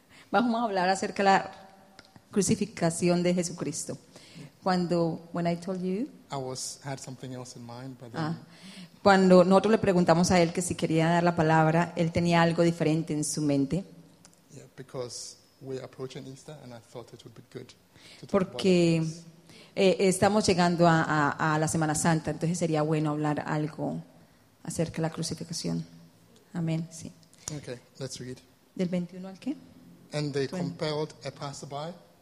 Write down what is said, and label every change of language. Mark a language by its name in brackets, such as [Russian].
[Spanish] Vamos a hablar acerca de la crucificación de Jesucristo. [English] Cuando, when I told you. I had something else in mind, but then. [Spanish] Cuando nosotros le preguntamos a él que si quería dar la palabra, él tenía algo diferente en su mente. [English] Because we're approaching Easter, and I thought it would be good. [Spanish] Porque estamos llegando a la Semana Santa, entonces sería bueno hablar algo acerca de la crucificación. Amén. Sí. [English] Okay, let's read. [Spanish] Del 21 al qué? [English] And they compelled a passerby.